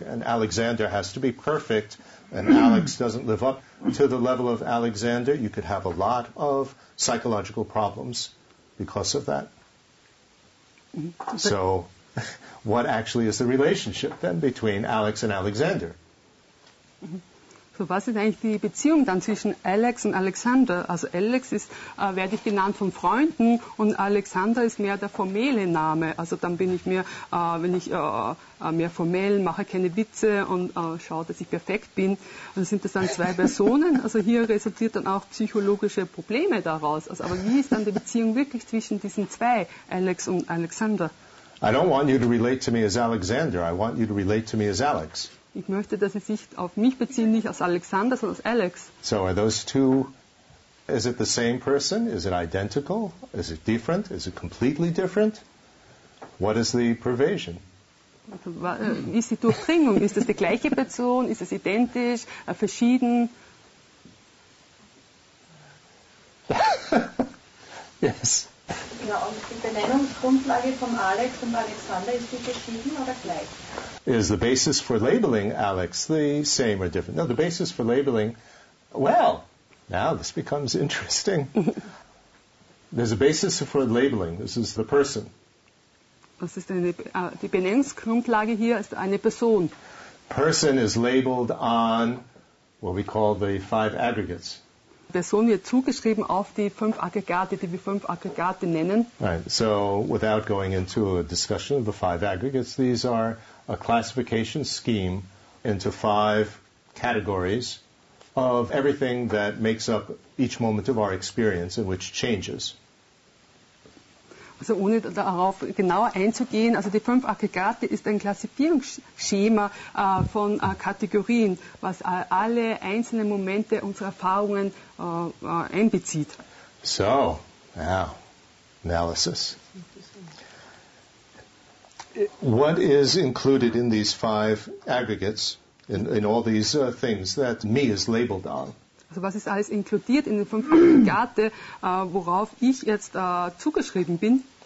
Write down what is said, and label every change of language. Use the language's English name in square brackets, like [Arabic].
[English] And Alexander has to be perfect. And Alex doesn't live up to the level of Alexander. You could have a lot of psychological problems because of that. So what actually is the relationship then between Alex and Alexander? [German] So, was ist eigentlich die Beziehung dann zwischen Alex und Alexander? Also Alex ist, werde ich genannt von Freunden, und Alexander ist mehr der formelle Name. Also dann bin ich mehr, wenn ich mehr formell mache, keine Witze und schaue, dass ich perfekt bin. Also sind das dann zwei Personen? Also hier resultiert dann auch psychologische Probleme daraus. Also, aber wie ist dann die Beziehung wirklich zwischen diesen zwei, Alex und Alexander? [English] I don't want you to relate to me as Alexander. I want you to relate to me as Alex. [German] Ich möchte, dass Sie sich auf mich beziehen, nicht als Alexander, sondern als Alex. [English] So are those two, is it the same person? Is it identical? Is it different? Is it completely different? What is the pervasion? [German] Wie ist die Durchdringung? Ist es die gleiche Person? Ist es identisch? Verschieden? [English] Yes. [German] Genau, und die Benennungsgrundlage von Alex und Alexander, ist die verschieden oder gleich? [English] Is the basis for labeling Alex the same or different? No, the basis for labeling, well, now this becomes interesting. There's a basis for labeling. This is the person. [German] Was ist denn die Benennungsgrundlage hier? Ist eine Person. [English] Person is labeled on what we call the five aggregates. [German] Person wird zugeschrieben auf die fünf Aggregate, die wir fünf Aggregate nennen. [English] Right. So, without going into a discussion of the five aggregates, these are a classification scheme into five categories of everything that makes up each moment of our experience and which changes. [German] Also ohne darauf genauer einzugehen, also die fünf Aggregate ist ein Klassifizierungsschema von Kategorien, was alle einzelnen Momente unserer Erfahrungen einbezieht. [English] So, now, analysis. What is included in these five aggregates, in all these things that me is labeled on? [German] Also was ist alles inkludiert in den fünf Aggregate, worauf ich jetzt zugeschrieben bin?